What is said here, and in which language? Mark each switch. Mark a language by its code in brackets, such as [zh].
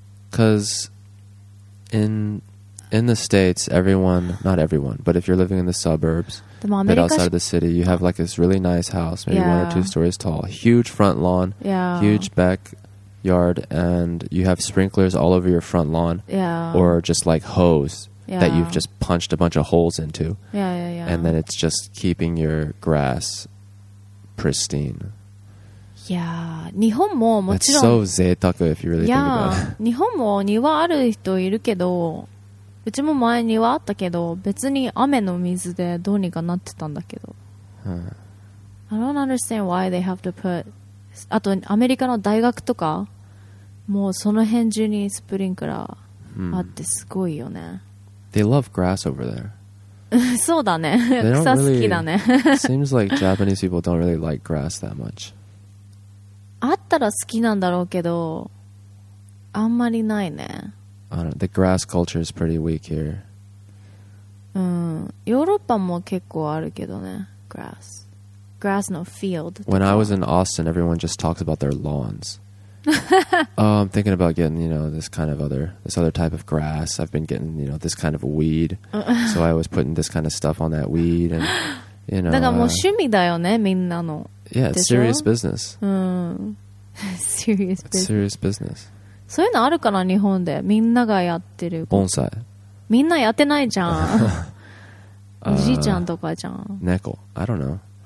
[en] Because in the States, everyone, not everyone, but if you're living in the suburbs, but outside of the city, you have like this really nice house, maybe one or two stories tall, huge front lawn, huge backyard, and you have sprinklers all over your front lawn, or just like hose. Yeah. That you've just punched a bunch of holes into. Yeah. And then it's just keeping your grass pristine. [ja] Yeah. 日本ももちろん。 [en] That's so 贅沢 if you really think about it. [ja] 日本も庭ある人いるけど、うちも前庭あったけど、別に雨の水でどうにかなってたんだけど。 [en] I don't understand why they have to put... [ja] あとアメリカの大学とか、もうその辺中にスプリンクラーあってすごいよね。 [en] They love grass over there. [ja] そうだね。草好きだね。 [en] Seems like Japanese people don't really like grass that much. [ja] あったら好きなんだろうけど、あんまりないね。 [en] The grass culture is pretty weak here. [ja] ヨーロッパも結構あるけどね。 [en] Grass. Grass no field. When I was in Austin, everyone just talks about their lawns. Oh, I'm thinking about getting, you know, this other type of grass. I've been getting, you know, this kind of weed. So I was putting this kind of stuff on that weed and, you know. [ja] だからもう趣味だよね、みんなの。 [en] Yeah, it's serious business. Serious business. It's serious business. [ja] そういうのあるから日本で、みんながやってる。盆栽。みんなやってないじゃん。おじいちゃんとかじゃん。 [en] 猫。I don't know.